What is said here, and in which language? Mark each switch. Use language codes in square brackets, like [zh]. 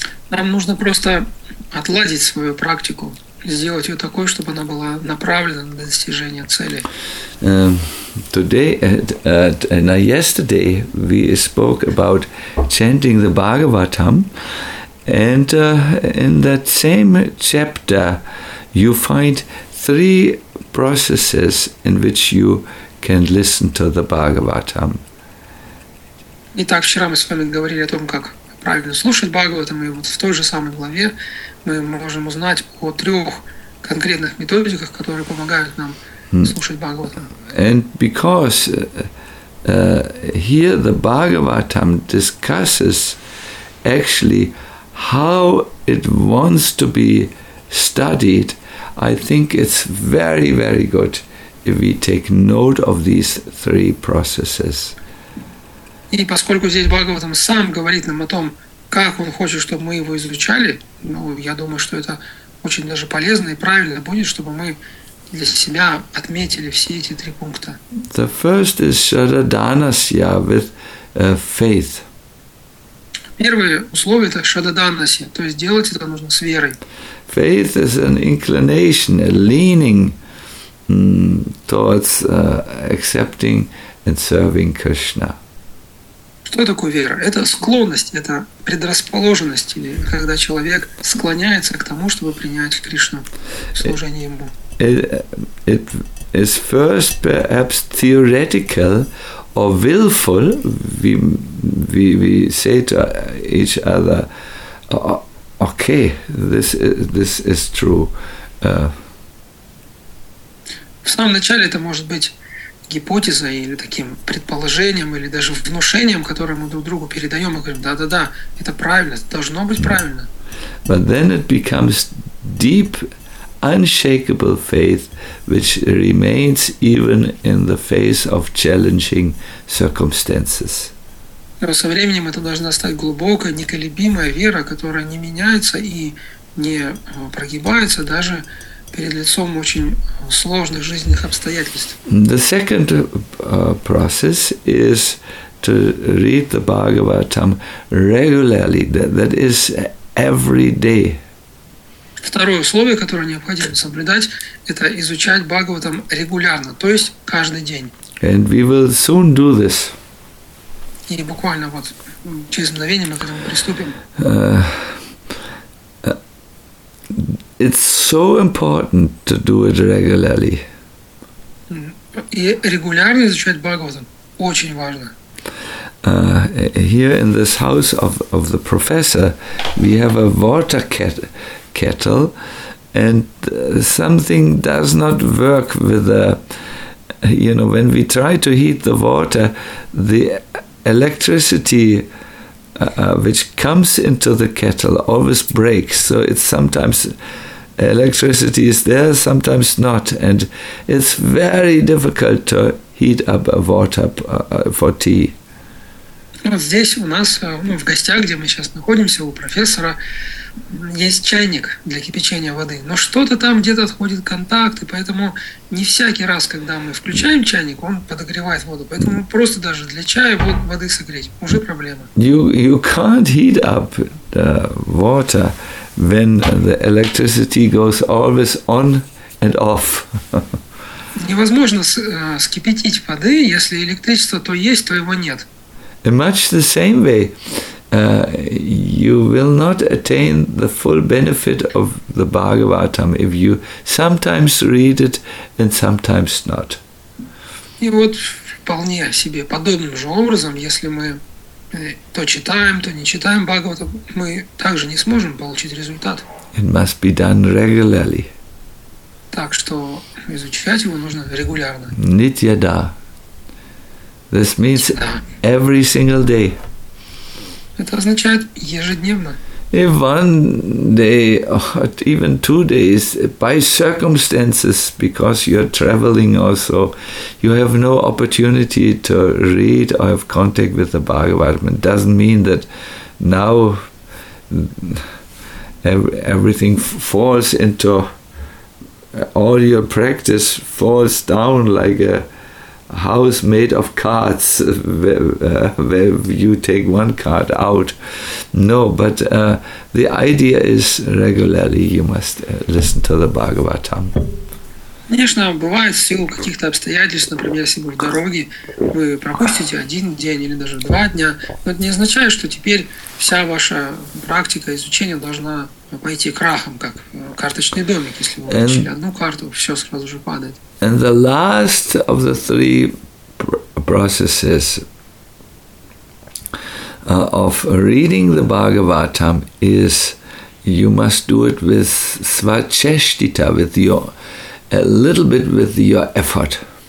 [ru] Нам нужно просто отладить свою практику, сделать ее такой, чтобы она была направлена на достижение цели. [en] Today and yesterday we spoke about chanting the Bhagavatam, and in that same chapter you find three processes in which you can listen to the Bhagavatam. [ru] Итак, вчера мы с вами говорили о том, как правильно слушать Бхагаватам, и вот в той же самой главе мы можем узнать о трех конкретных методиках, которые помогают нам слушать Бхагаватам. [en] And because here the Bhagavatam discusses actually how it wants to be studied, I think it's very, very good if we take note of these three processes. [ru] И поскольку здесь Бхагаватам сам говорит нам о том, как он хочет, чтобы мы его изучали, ну, я думаю, что это очень даже полезно и правильно будет, чтобы мы для себя отметили все эти три пункта. [en] The first is шададанасья with faith. [ru] Первое условие – это шададанасья, то есть делать это нужно с верой. [en] Faith is an inclination, a leaning towards accepting and serving Krishna. [ru] Что такое вера? Это склонность, это предрасположенность, или когда человек склоняется к тому, чтобы принять Кришну, служение ему. [en] It is first perhaps theoretical or willful. We say to each other, okay, this is true. [ru] В самом начале это может быть гипотеза или таким предположением или даже внушением, которое мы друг другу передаем и говорим, да-да-да, это правильно, это должно быть правильно. [en] But then it becomes deep, unshakable faith, which remains even in the face of challenging circumstances. [ru] Но со временем это должна стать глубокая, неколебимая вера, которая не меняется и не прогибается даже перед лицом очень сложных жизненных обстоятельств. [en] The second process is to read the Bhagavatam regularly, that is every day. [ru] Второе условие, которое необходимо соблюдать, это изучать Бхагаватам регулярно, то есть каждый день. [en] And we will soon do this. [ru] И буквально вот через мгновение мы к этому приступим. [en] It's so important to do it regularly. [ru] И регулярно изучать Бхагаватам очень важно. [en] Here in this house of the professor, we have a water kettle, and something does not work with the, you know, when we try to heat the water, the electricity which comes into the kettle always breaks, so it's sometimes electricity is there, sometimes not, and it's very difficult to heat up a water for tea. [ru] Вот здесь у нас, ну, в гостях, где мы сейчас находимся, у профессора есть чайник для кипячения воды. Но что-то там где-то отходит контакт, и поэтому не всякий раз, когда мы включаем чайник, он подогревает воду. Поэтому просто даже для чая воды согреть уже проблема. [en] You can't heat up the water when the electricity goes always on and off. [ru] Невозможно скипятить воды, если электричество то есть, то его нет. [en] In much the same way, you will not attain the full benefit of the Bhagavatam if you sometimes read it and sometimes not. [ru] И вот вполне себе подобным же образом, если мы то читаем, то не читаем Бхагаватам, мы также не сможем получить результат. [en] It must be done regularly. [ru] Так что изучать его нужно регулярно. [en] Нитьяда. This means every single day. [ru] Это означает ежедневно. [en] If one day, or even 2 days, by circumstances, because you are traveling also, you have no opportunity to read or have contact with the Bhagavatam, it doesn't mean that now everything falls into, all your practice falls down like a house made of cards, where you take one card out. No, but the idea is regularly you must listen to the Bhagavatam. [ru] Конечно, бывает в силу каких-то обстоятельств, например, если вы в дороге, вы пропустите один день или даже 2 дня, но это не означает, что теперь вся ваша практика изучения должна пойти крахом, как карточный домик. Если вы выучили одну карту, все сразу же падает. [en] And the last of the three processes of reading the Bhagavatam is you must do it with svacheshtita, with your a little bit with your effort.